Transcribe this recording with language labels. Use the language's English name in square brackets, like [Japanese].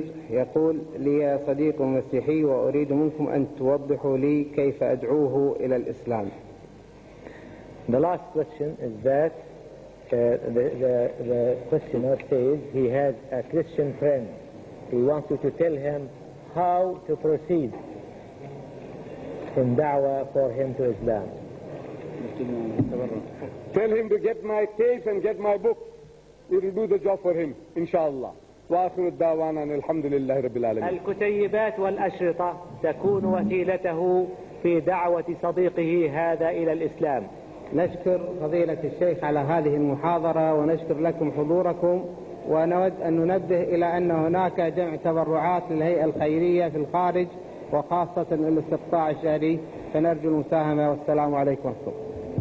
[Arabic] يقول لي صديق مسيحي وأريد منكم أن توضحوا لي كيف أدعوه إلى الإسلام. [English] The last question is that the questioner says he has a Christian friend. He wants you to tell him how to proceed in da'wah for him to Islam. Tell him to get my case and get my book. It will do the job for him, inshallah. [Arabic] وآخر الدعوان أن الحمد لله رب العالمين. الكتيبات والأشرطة تكون وسيلته في دعوة صديقه هذا إلى الإسلام. نشكر فضيلة الشيخ على هذه المحاضرة ونشكر لكم حضوركم، ونود أن ننبه إلى أن هناك جمع تبرعات للهيئة الخيرية في الخارج وخاصة الاستقطاع الشهري، فنرجو المساهمة والسلام عليكم ورحمة الله.